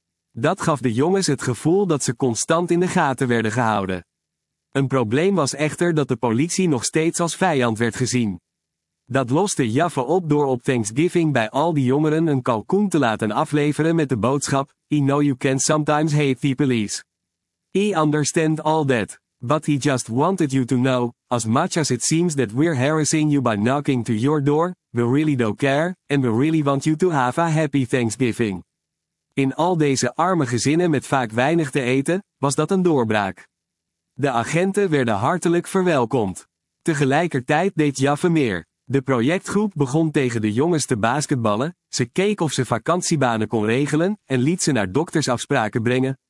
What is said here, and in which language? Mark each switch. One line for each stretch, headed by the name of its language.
Dutch: Dat gaf de jongens het gevoel dat ze constant in de gaten werden gehouden. Een probleem was echter dat de politie nog steeds als vijand werd gezien. Dat loste Jaffe op door op Thanksgiving bij al die jongeren een kalkoen te laten afleveren met de boodschap,
English: "I know you can sometimes hate the police. I understand all that. But he just wanted you to know, as much as it seems that we're harassing you by knocking to your door, we really don't care, and we really want you to have a happy Thanksgiving."
Dutch: In al deze arme gezinnen met vaak weinig te eten, was dat een doorbraak. De agenten werden hartelijk verwelkomd. Tegelijkertijd deed Jaffe meer. De projectgroep begon tegen de jongens te basketballen, ze keek of ze vakantiebanen kon regelen en liet ze naar doktersafspraken brengen.